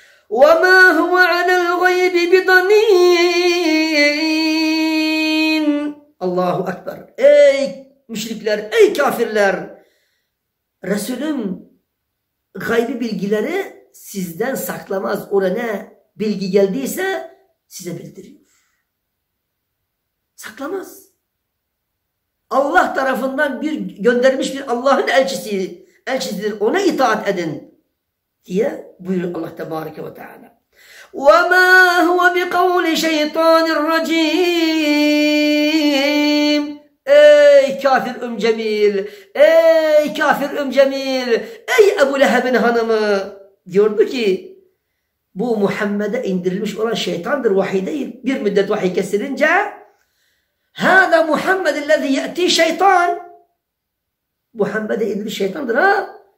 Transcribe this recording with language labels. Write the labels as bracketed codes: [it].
[ar] وَمَا هُوَ عَلَى الْغَيْبِ بِضَنِينَ Allahu Ekber. [tr] Ey müşrikler, ey kafirler! Resulüm gaybi bilgileri sizden saklamaz. Oraya ne bilgi geldiyse size bildiriyor. Saklamaz. Allah tarafından bir göndermiş bir Allah'ın elçisi, elçisidir. Ona itaat edin diye buyuruyor Allah Tebareke ve Teala. [ar] وَمَا هُوَ بِقَوْلِ شَيْطَانِ الرَّجِيمِ [tr] Ey kafir Ümcemil! Ey kafir Ümcemil! Ey Ebu Leheb'in hanımı! Diyordu ki, bu Muhammed'e indirilmiş olan şeytandır, vahiy değil. Bir müddet vahiy kesilince, [ar] هَذَا مُحَمَّدِ الَّذِي يَأْتِي شَيْطَانِ [tr] Muhammed'e indirilmiş şeytandır ha!